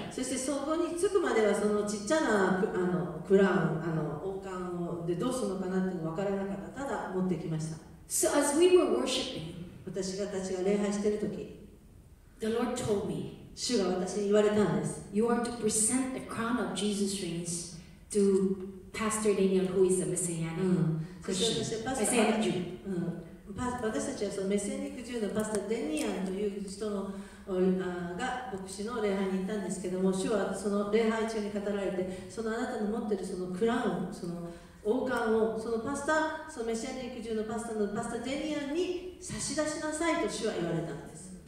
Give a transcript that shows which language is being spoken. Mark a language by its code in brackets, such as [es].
[ja] そしてそこに着くまではそのちっちゃなあのクラウン、あの王冠をでどうするのかなっていうの分からなかった。ただ持ってきました。 [en] So as we were worshiping, [ja] 私たちが礼拝してる時、 [en] The Lord told me. [ja] 主が私に言われたんです。 [en] You are to present the crown of Jesus rings to Pastor Daniel, who is a Messianic Christian. [ja] 私たちはそのメッセニック中のパスタデニアンという人のが牧師の礼拝に行ったんですけども、主はその礼拝中に語られて、そのあなたの持っているそのクラウン、その王冠をそのパスタ、そのメッセニック中のパスタのパスタデニアンに差し出しなさいと主は言われたんです。